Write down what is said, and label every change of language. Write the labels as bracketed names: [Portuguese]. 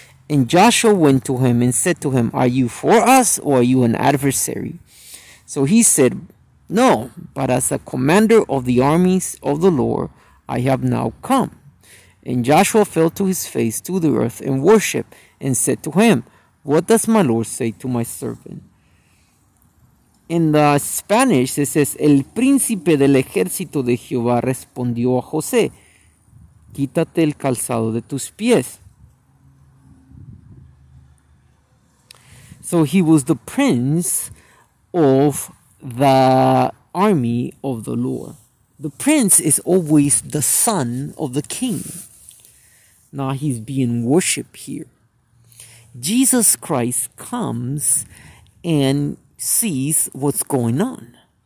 [English] And Joshua went to him and said to him, are you for us or are you an adversary? So he said, no, but as a commander of the armies of the Lord, I have now come. And Joshua fell to his face to the earth and worshiped and said to him, what does my Lord say to my servant? In the Spanish, it says, [Spanish] el príncipe del ejército de Jehová respondió a José, quítate el calzado de tus pies. [English] So he was the prince of the army of the Lord. The prince is always the son of the king. Now he's being worshipped here. Jesus Christ comes and sees what's going on.